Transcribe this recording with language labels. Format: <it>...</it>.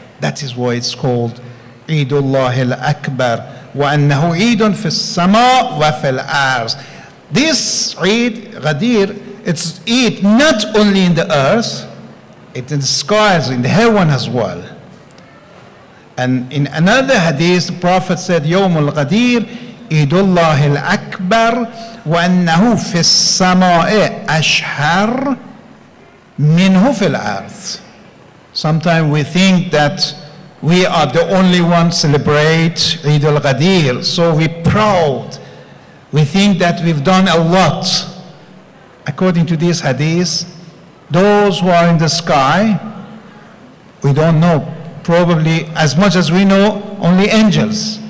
<en>That is why it's called Eidullah al-Akbar.</en> <ar>وَأَنَّهُ عِيدٌ فِي السَّمَاءِ وَفِي الْأَرْضِ.</ar> <en>This Eid, Ghadir, it's Eid not only in the earth, it in the skies, in the heaven as well. And in another hadith, the Prophet said,</en> <ar>يوم القدير عيد الله الأكبر وأنه في السماء أشهر منه في الأرض.</ar> <en>Sometimes we think that we are the only one celebrate عيد القدير, so we proud. We think that we've done a lot. According to this hadith, those who are in the sky, we don't know, probably as much as we know, only angels.</en>